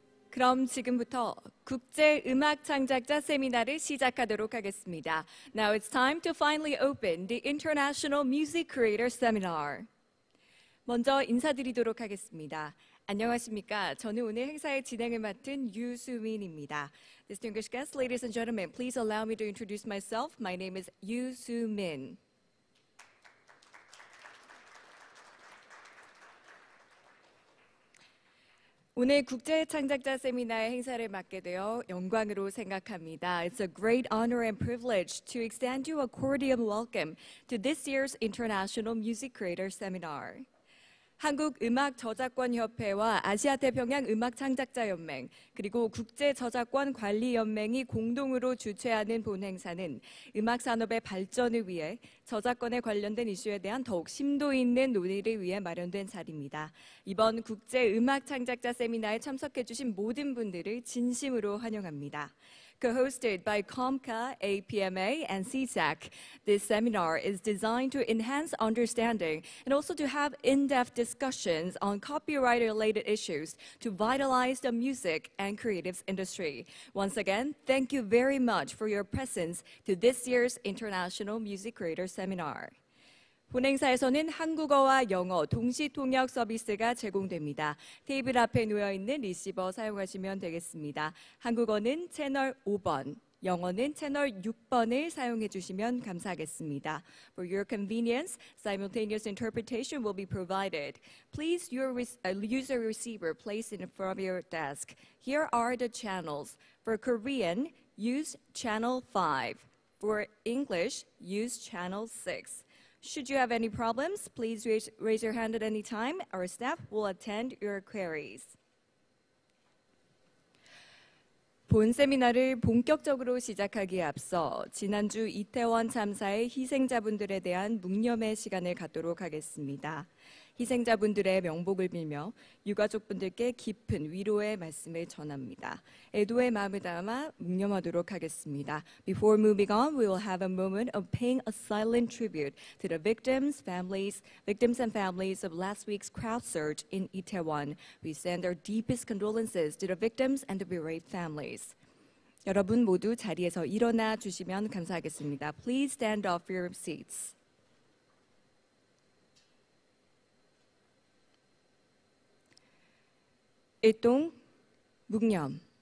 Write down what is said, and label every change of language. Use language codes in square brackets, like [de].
[ko] 그럼 지금부터 국제 음악 창작자 세미나를 시작하도록 하겠습니다. [en] Now it's time to finally open the International Music Creator Seminar. [ko] 먼저 인사드리도록 하겠습니다. 안녕하십니까? 저는 오늘 행사의 진행을 맡은 유수민입니다. [en] Distinguished guests, ladies and gentlemen, please allow me to introduce myself. My name is 유수민. [ko] 오늘 국제 창작자 세미나의 행사를 맡게 되어 영광으로 생각합니다. [en] It's a great honor and privilege to extend you a cordial welcome to this year's International Music Creator Seminar. [ko] 한국 음악 저작권 협회와 아시아 태평양 음악 창작자 연맹 그리고 국제 저작권 관리 연맹이 공동으로 주최하는 본 행사는 음악 산업의 발전을 위해 저작권에 관련된 이슈에 대한 더욱 심도 있는 논의를 위해 마련된 자리입니다. 이번 국제 음악 창작자 세미나에 참석해주신 모든 분들을 진심으로 환영합니다. [en] Co-hosted by COMCA, APMA, and CSAC, this seminar is designed to enhance understanding and also to have in-depth discussions on copyright-related issues to vitalize the music and creative industry. Once again, thank you very much for your presence to this year's International Music Creator Seminar. [ko] 본 행사에서는 한국어와 영어 동시 통역 서비스가 제공됩니다. 테이블 앞에 놓여 있는 리시버 사용하시면 되겠습니다. 한국어는 채널 5번, 영어는 채널 6번을 사용해 주시면 감사하겠습니다. [en] For your convenience, simultaneous interpretation will be provided. Please use your receiver placed in front of your desk. Here are the channels. For Korean, use channel 5. For English, use channel 6. Should you have any problems, please raise your hand at any time. Our staff will attend your queries. [ko] 본 세미나를 본격적으로 시작하기에 앞서 지난주 이태원 참사의 희생자분들에 대한 묵념의 시간을 갖도록 하겠습니다. 희생자분들의 명복을 빌며 유가족분들께 깊은 위로의 말씀을 전합니다. 애도의 마음을 담아 묵념하도록 하겠습니다. [en] Before moving on, we will have a moment of paying a silent tribute to the victims and families of last week's crowd surge in Itaewon. We send our deepest condolences to the victims and the bereaved families. [ko] 여러분 모두 자리에서 일어나 주시면 감사하겠습니다. [en] Please stand off your seats. [ko] 일동 묵념.